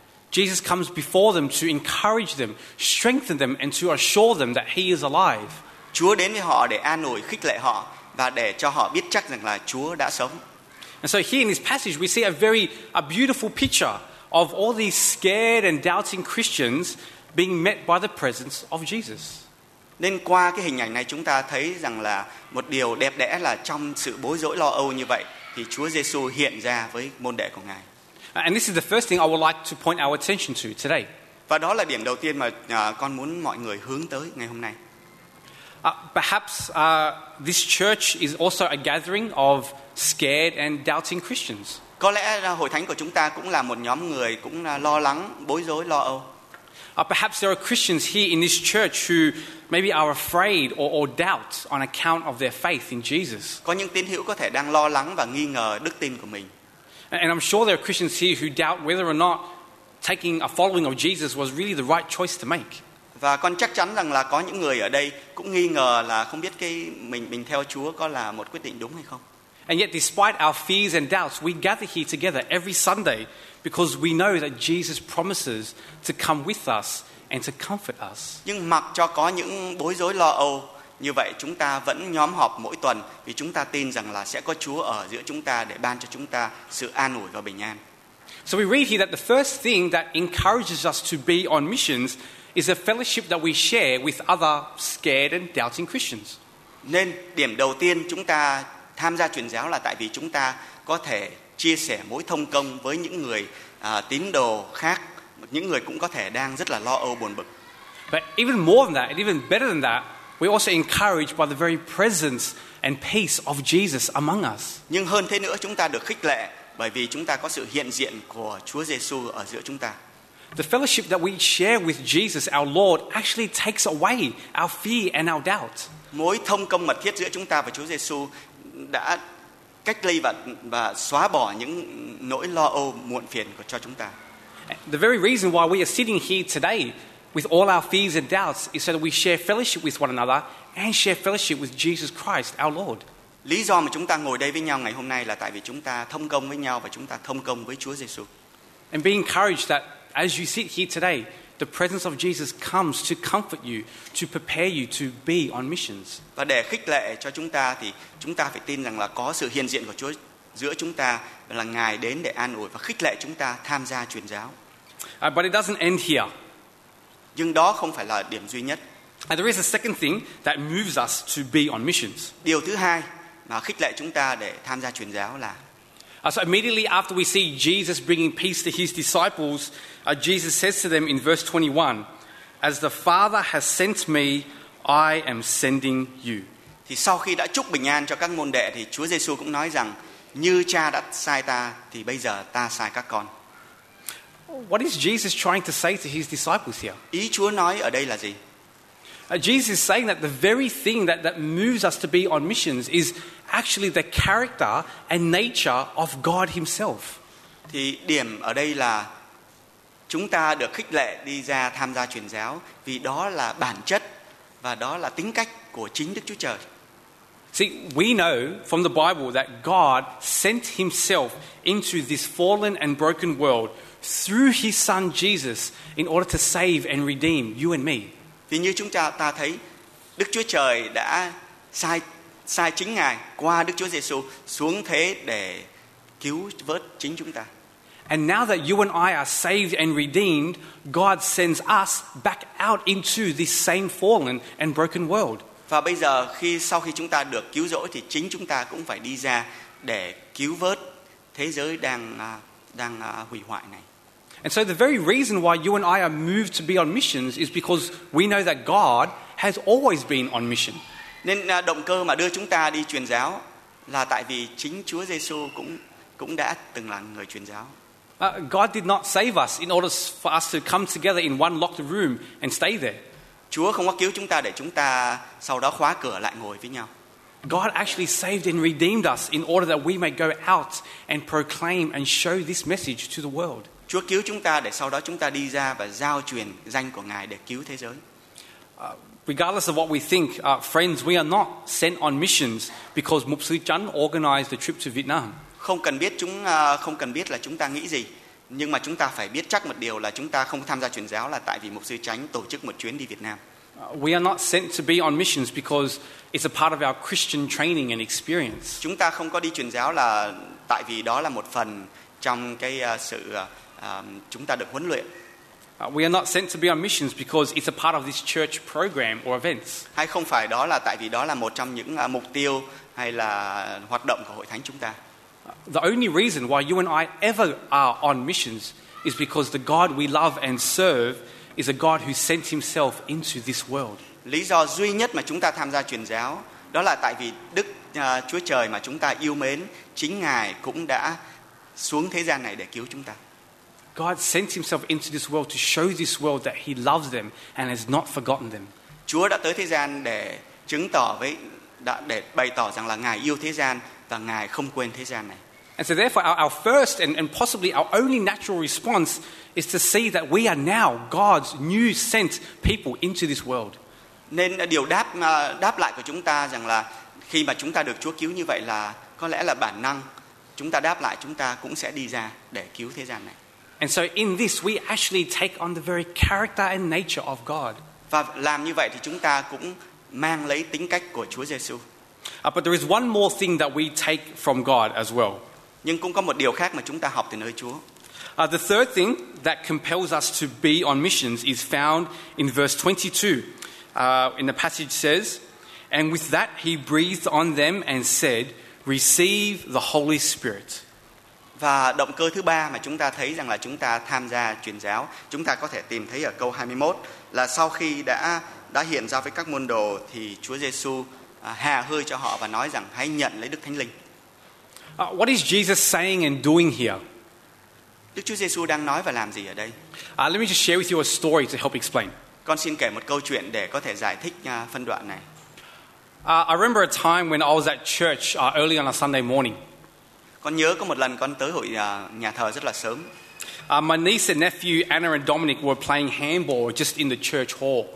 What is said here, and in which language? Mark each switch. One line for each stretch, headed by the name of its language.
English: Jesus comes before them to encourage them, strengthen them and to assure them that he is alive.
Vietnamese: Chúa đến với họ để an ủi, khích lệ họ và để cho họ biết chắc rằng là Chúa đã sống.
English: And so here in this passage we see a beautiful picture of all these scared and doubting Christians being met by the presence of Jesus.
Vietnamese: Nên qua cái hình ảnh này chúng ta thấy rằng là một điều đẹp đẽ là trong sự bối rối lo âu như vậy thì Chúa Giêsu hiện ra với môn đệ của Ngài.
English: And this is the first thing I would like to point our attention to today.
Vietnamese: Và đó là điểm đầu tiên mà con muốn mọi người hướng tới ngày hôm nay.
English: This church is also a gathering of scared and doubting Christians.
Vietnamese: Có lẽ hội thánh của chúng ta cũng là một nhóm người cũng lo lắng, bối rối, lo âu.
English: Perhaps there are Christians here in this church who maybe are afraid or doubt on account of their faith in Jesus.
Vietnamese: Có những tín hữu có thể đang lo lắng và nghi ngờ đức tin của mình.
English: And I'm sure there are Christians here who doubt whether or not taking a following of Jesus was really the right choice to make.
Vietnamese: Và con chắc chắn rằng là có những người ở đây cũng nghi ngờ là không biết cái mình theo Chúa có là một quyết định đúng hay không.
English: And yet despite our fears and doubts, we gather here together every Sunday because we know that Jesus promises to come with us and to comfort us.
Vietnamese: Nhưng mặc cho có những bối rối lo âu như vậy, chúng ta vẫn nhóm họp mỗi tuần vì chúng ta tin rằng là sẽ có Chúa ở giữa chúng ta để ban cho chúng ta sự an ủi và bình an.
English: So we read here that the first thing that encourages us to be on missions is a fellowship that we share with other scared and doubting Christians.
Vietnamese: Nên điểm đầu tiên chúng ta tham gia truyền giáo là tại vì chúng ta có thể chia sẻ mối thông công với những người tín đồ khác, những người cũng có thể đang rất là lo âu buồn bực.
English: But even more than that, and even better than that, we're also encouraged by the very presence and peace of Jesus among us.
Vietnamese: Nhưng hơn thế nữa, chúng ta được khích lệ bởi vì chúng ta có sự hiện diện của Chúa Giêsu ở giữa chúng ta.
English: The fellowship that we share with Jesus, our Lord, actually takes away our fear and our doubt.
Vietnamese: Mối thông công mật thiết giữa chúng ta và Chúa Giêsu đã cách ly và xóa bỏ những nỗi lo âu muộn phiền của cho chúng ta.
English: The very reason why we are sitting here today with all our fears and doubts is so that we share fellowship with one another and share fellowship with Jesus Christ, our Lord.
Vietnamese: Lý do mà chúng ta ngồi đây với nhau ngày hôm nay là tại vì chúng ta thông công với nhau và chúng ta thông công với Chúa Giêsu.
English: And be encouraged that as you sit here today, the presence of Jesus comes to comfort you, to prepare you to be on missions.
Vietnamese: Và để khích lệ cho chúng ta thì chúng ta phải tin rằng là có sự hiện diện của Chúa giữa chúng ta và là Ngài đến để an ủi và khích lệ chúng ta tham gia truyền giáo.
English: But it doesn't end here.
Vietnamese: Nhưng đó không phải là điểm duy nhất.
English: And there is a second thing that moves us to be on missions.
Vietnamese: Điều thứ hai mà khích lệ chúng ta để tham gia truyền giáo là
English: So immediately after we see Jesus bringing peace to his disciples, Jesus says to them in verse 21, "As the Father has sent me, I am sending you."
Vietnamese: Thì sau khi đã chúc bình an cho các môn đệ thì Chúa Giêsu cũng nói rằng như Cha đã sai ta thì bây giờ ta sai các con.
English: What is Jesus trying to say to his disciples here?
Vietnamese: Ý Chúa nói ở đây là gì?
English: Jesus is saying that the very thing that moves us to be on missions is actually the character and nature of God himself.
Vietnamese: Thì điểm ở đây là chúng ta được khích lệ đi ra tham gia truyền giáo vì đó là bản chất và đó là tính cách của chính Đức Chúa Trời.
English: See, we know from the Bible that God sent himself into this fallen and broken world through his son Jesus in order to save and redeem you and me.
Vietnamese: Vì như chúng ta thấy Đức Chúa Trời đã sai chính Ngài qua Đức Chúa Giêsu xuống thế để cứu vớt chính chúng ta.
English: And now that you and I are saved and redeemed, God sends us back out into this same fallen and broken world.
Vietnamese: Và bây giờ khi sau khi chúng ta được cứu rỗi thì chính chúng ta cũng phải đi ra để cứu vớt thế giới đang hủy hoại này.
English: And so the very reason why you and I are moved to be on missions is because we know that God has always been on mission.
Vietnamese: Nên động cơ mà đưa chúng ta đi truyền giáo là tại vì chính Chúa Giêsu cũng đã từng là người truyền giáo.
English: God did not save us in order for us to come together in one locked room and stay there.
Vietnamese: Chúa không có cứu chúng ta để chúng ta sau đó khóa cửa lại ngồi với nhau.
English: God actually saved and redeemed us in order that we may go out and proclaim and show this message to the world.
Vietnamese: Chúa cứu chúng ta để sau đó chúng ta đi ra và giao truyền danh của Ngài để cứu thế giới.
English: Regardless of what we think, friends, we are not sent on missions because Mục sư Chánh organized the trip to Vietnam.
Vietnamese: Không cần biết là chúng ta nghĩ gì, nhưng mà chúng ta phải biết chắc một điều là chúng ta không tham gia truyền giáo là tại vì Mục sư Chánh tổ chức một chuyến đi Việt Nam.
English: We are not sent to be on missions because it's a part of our Christian training and experience.
Vietnamese: Chúng ta không có đi truyền giáo là tại vì đó là một phần trong cái sự chúng ta được huấn luyện.
English: We are not sent to be on missions because it's a part of this church program or events.
Vietnamese: Hay không phải đó là tại vì đó là một trong những mục tiêu hay là hoạt động của hội thánh chúng ta.
English: The only reason why you and I ever are on missions is because the God we love and serve is a God who sent himself into this world.
Vietnamese: Lý do duy nhất mà chúng ta tham gia truyền giáo đó là tại vì Đức Chúa Trời mà chúng ta yêu mến, chính Ngài cũng đã xuống thế gian này để cứu chúng ta.
English: God sent himself into this world to show this world that he loves them and has not forgotten them.
Vietnamese: Chúa đã tới thế gian để chứng tỏ với đã để bày tỏ rằng là Ngài yêu thế gian và Ngài không quên thế gian này.
English: And so therefore our first and possibly our only natural response is to see that we are now God's new sent people into this world.
Vietnamese: Nên điều đáp lại của chúng ta rằng là khi mà chúng ta được Chúa cứu như vậy là có lẽ là bản năng chúng ta đáp lại chúng ta cũng sẽ đi ra để cứu thế gian này.
English: And so in this we actually take on the very character and nature of God.
Vietnamese: Và làm như vậy thì chúng ta cũng mang lấy tính cách của Chúa Giêsu.
English: But there is one more thing that we take from God as well.
Vietnamese: Nhưng cũng có một điều khác mà chúng ta học từ nơi Chúa.
English: The third thing that compels us to be on missions is found in verse 22. In the passage says, "And with that he breathed on them and said, 'Receive the Holy Spirit.'"
Vietnamese: Và động cơ thứ ba mà chúng ta thấy rằng là chúng ta tham gia truyền giáo, chúng ta có thể tìm thấy ở câu 21 là sau khi đã hiện ra với các môn đồ thì Chúa Giêsu hà hơi cho họ và nói rằng hãy nhận lấy Đức Thánh Linh.
English: What is Jesus saying and doing here?
Vietnamese: Đức Chúa Giêsu đang nói và làm gì ở đây?
English: Let me just share with you a story to help explain.
Vietnamese: Con xin kể một câu chuyện để có thể giải thích phân đoạn này.
English: I remember a time when I was at church early on a Sunday morning.
Vietnamese: Con nhớ có một lần con tới hội nhà thờ rất là sớm.
English: My niece and nephew Anna and Dominic were playing handball just in the church hall.